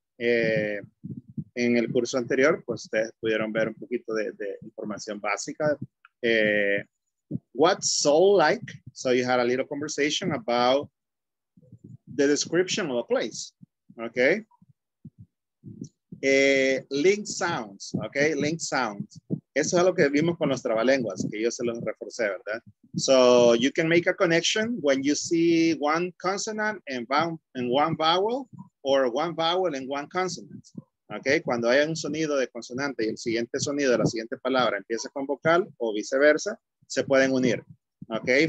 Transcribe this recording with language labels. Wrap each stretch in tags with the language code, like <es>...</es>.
<es>En el curso anterior, pues ustedes pudieron ver un poquito de información básica.</es> <en>What's soul like? So you had a little conversation about the description of a place, okay? Linked sounds, okay? Linked sounds.</en> <es>Eso es lo que vimos con los trabalenguas, que yo se los reforcé, ¿verdad?</es> <en>So you can make a connection when you see one consonant and one vowel, or one vowel and one consonant, okay?</en> <es>Cuando hay un sonido de consonante y el siguiente sonido de la siguiente palabra empieza con vocal o viceversa, se pueden unir, okay?</es>